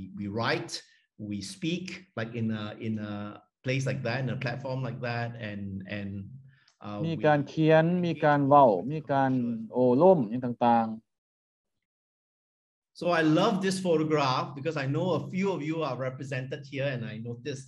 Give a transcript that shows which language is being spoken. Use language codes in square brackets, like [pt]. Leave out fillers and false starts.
[en] we write we speak like in a place like that in a platform like that and [tts] มีการเขียนมีการเว้ามีการโอ้ล่มอย่างต่าง [en] ๆ so I love this photograph because I know a few of you are represented here and I noticed